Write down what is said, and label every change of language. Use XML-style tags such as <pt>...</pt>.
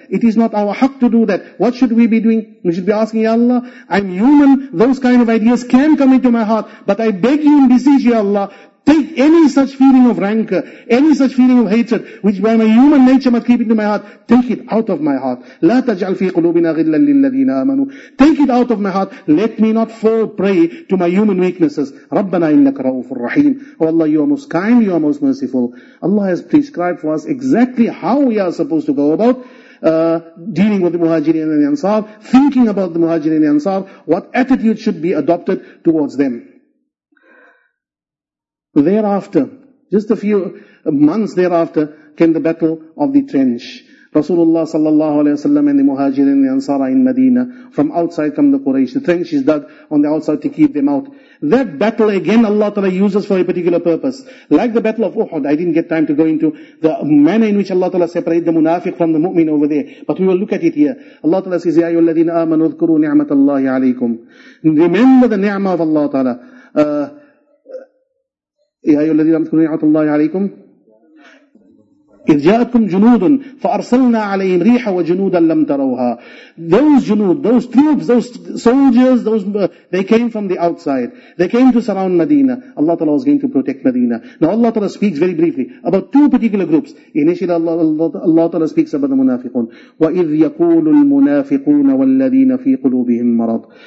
<en>It is not our haq to do that. What should we be doing? We should be asking, Ya Allah, I'm human, those kind of ideas can come into my heart, but I beg you and beseech, Ya Allah, take any such feeling of rancor, any such feeling of hatred, which by my human nature must keep into my heart, take it out of my heart.</en> <ar>لا تجعل في قلوبنا غلا للذين آمنوا.</ar> <en>Take it out of my heart. Let me not fall prey to my human weaknesses.</en> <ar>ربنا إنك رؤوف الرحيم.</ar> <en>Oh Allah, you are most kind, you are most merciful. Allah has prescribed for us exactly how we are supposed to go about dealing with the Muhajirin and the Ansar, thinking about the Muhajirin and the Ansar, what attitude should be adopted towards them. Thereafter, just a few months thereafter, came the battle of the trench. Rasulullah sallallahu alayhi wa sallam and the Muhajirin and the Ansar in Medina, from outside come the Quraysh. The trench is dug on the outside to keep them out. That battle again Allah Ta'ala uses for a particular purpose. Like the battle of Uhud, I didn't get time to go into the manner in which Allah Ta'ala separated the munafiq from the mu'min over there. But we will look at it here. Allah Ta'ala says,</en> <ar>Ya ayyuhalladhina amanu dhkuru ni'matallahi alaykum.</ar> <en>Remember the ni'mah of Allah Ta'ala.</en> <ar>يا أيها الذين آمنوا اذكروا نعمة الله عليكم إذ جاءتكم جنود فأرسلنا عليهم ريحا وجنودا لم تروها.</ar> <en>Those جنود, those troops, those soldiers, they came from the outside. They came to surround Medina. Allah Ta'ala was going to protect Medina. Now Allah Ta'ala speaks very briefly about two particular groups. Initially Allah Ta'ala speaks about the munafiqun.</en> <ar>وَإِذْ يَقُولُ الْمُنَافِقُونَ وَالَّذِينَ فِي قُلُوبِهِمْ مَرَضٌ.</ar>